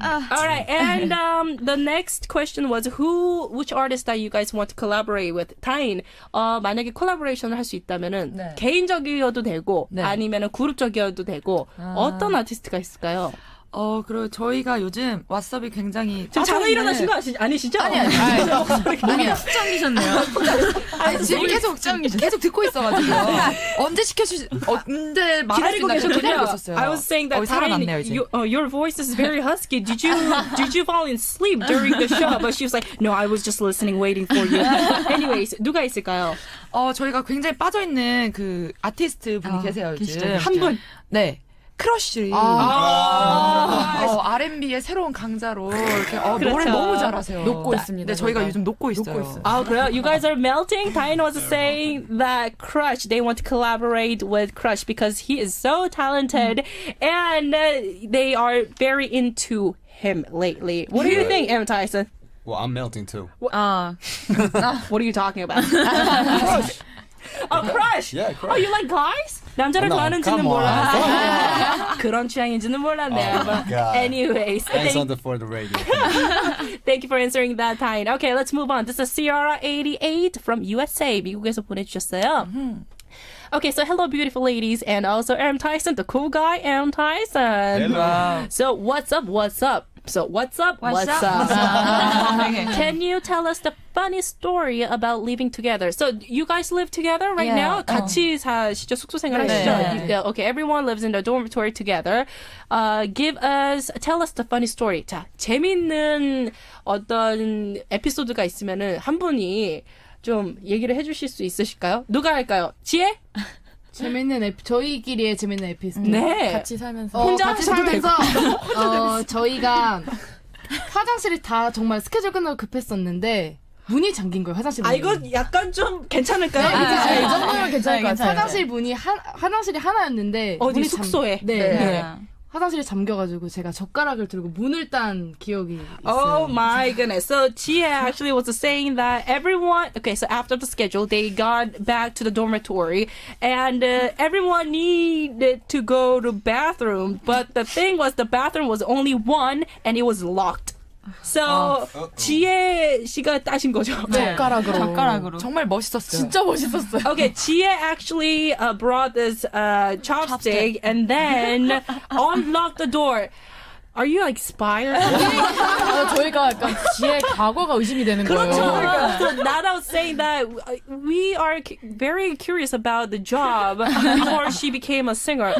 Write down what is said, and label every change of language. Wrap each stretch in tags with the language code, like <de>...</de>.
<en>Alright, and the next question was which artist that you guys want to collaborate with?</en> <ko>타인, 만약에 콜라보레이션을 할 수 있다면은 네. 개인적이어도 되고 네. 아니면은 그룹적이어도 되고 어떤 아티스트가 있을까요? 어, 그리고 저희가 요즘 왓썹이 굉장히 지금 자는 일어나신 거 아니시죠? 아니에요. 목이 푹 잠기셨네요. 지금 계속 잠기셨 계속 듣고 있어가지고 언제 언제 기다리고 계셔 기다리고 있었어요.</ko> <en>I was saying that</en> <ko>살아났네요,</ko> <en>you, your voice is very husky. Did you fall in sleep during the show? But she was like, no, I was just listening, waiting for you. Anyways,</en> <ko>누가 있을까요? 어, 저희가 굉장히 빠져 있는 그 아티스트 분이 계세요 요즘. 계시죠, 계시죠. 한 분. 네. 크러쉬. 아~ 어, R&B의 새로운 강자로 이렇게 어, 그렇죠. 노래 너무 잘하세요. 녹고 있습니다. 네, 저희가 요즘 녹고 있어요. 녹고 있어요. 아, 그래요?</ko> <en>You guys are melting. Diane was saying that Crush, they want to collaborate with Crush because he is so talented and they are very into him lately. What do you think, M.Tyson? Well, I'm melting too. What are you talking about? Crush. Oh, Crush? Yeah, Crush. Oh, you like guys?</en> <ko>남자를 좋아하는지는 몰라. 그런 취향인지는 몰랐네요.</ko> <en>Oh, anyways. Thanks on the for the radio. Thank you for answering that, Tyne. Okay, let's move on. This is Sierra 88 from USA.</en> <ko>미국에서 보내주셨어요.</ko> <en>Okay, so hello, beautiful ladies. And also M.Tyson, the cool guy, M.Tyson. Hello. So what's up, what's up? So what's up, what's up? Can you tell us the funny story about living together? So you guys live together right now?</en> <ko>같이 사시죠? 숙소 생활하시죠?</ko> <en>Okay, everyone lives in the dormitory together. Tell us the funny story.</en> <ko>자, 재밌는 어떤 에피소드가 있으면은 한 분이 좀 얘기를 해주실 수 있으실까요? 누가 할까요? 지혜? 재밌는 저희끼리의 재밌는 에피소드. 네. 같이 살면서. 혼자 같이 살면서. 저희가 화장실이 다 정말 스케줄 끝나고 급했었는데 문이 잠긴 거예요, 화장실 문이. 아, 이거 약간 좀 괜찮을까요? 네, 이 정도면 괜찮을 것 같아요. 화장실 문이, 화장실이 하나였는데. 어디 문이 숙소에? 네. 네. 네. 화장실에 잠겨가지고 제가 젓가락을 들고 문을 딴 기억이 있어요.</ko> <en>Oh my goodness. So, Chia actually was saying that everyone, okay, so after the schedule, they got back to the dormitory and everyone needed to go to bathroom, but the thing was the bathroom was only one and it was locked. So,</en> <ko>지혜 씨가 따신 거죠? 네. 젓가락으로. 젓가락으로. 정말 멋있었어요. 진짜 멋있었어요.</ko> <en>Okay, 지혜 actually brought this chopstick and then unlocked the door. Are you like spy or something?</en> <ko>저희가 약간 지혜 과거가 의심이 되는 그렇죠. 거예요. 그렇죠.</ko> <en>So now I was saying that we are very curious about the job before she became a singer.</en>